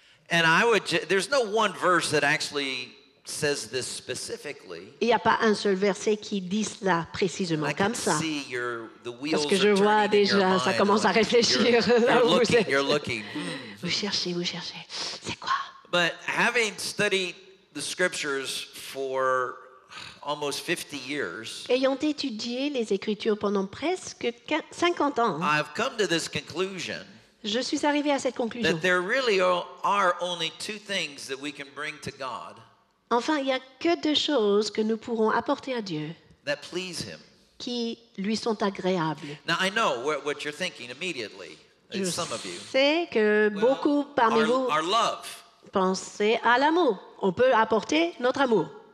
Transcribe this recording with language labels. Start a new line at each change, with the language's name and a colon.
English: And I would there's no one verse that actually says this specifically.
French: Il n'y a pas un seul verset qui dit cela précisément comme ça.
English: I can see your, the wheels
French: parce que je vois déjà, ça commence
English: mind,
French: à réfléchir.
English: You're looking.
French: Vous cherchez. C'est quoi?
English: But having studied the scriptures for almost 50 years,
French: ayant étudié les écritures pendant presque 50 ans,
English: I've come to this conclusion.
French: Je suis arrivé à cette conclusion.
English: That there really are only two things that we can bring to God.
French: Enfin, il n'y a que deux choses que nous pourrons apporter à Dieu qui lui sont agréables.
English: Now, I know what you're thinking immediately,
French: je
English: some of you.
French: Sais que
English: well,
French: beaucoup parmi
English: our,
French: vous
English: our love.
French: Pensez à l'amour. On peut apporter notre amour.